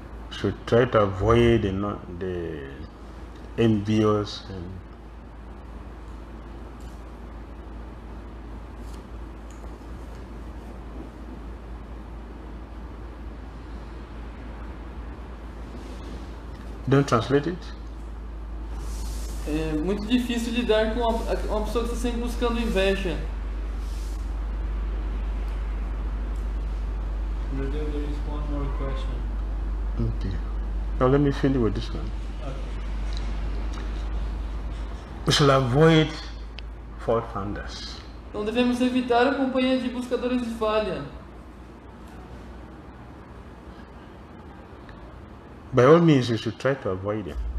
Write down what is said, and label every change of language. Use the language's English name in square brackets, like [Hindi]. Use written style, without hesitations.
[English] Should try to avoid the envious and don't translate it. [Portuguese] É muito difícil lidar com uma pessoa que está sempre buscando inveja. [English] question. Okay. Now let me finish with this one. Okay. We shall avoid fault finders. [Portuguese] Então devemos evitar a companhia de buscadores de falha. [English] By all means, you should try to avoid them.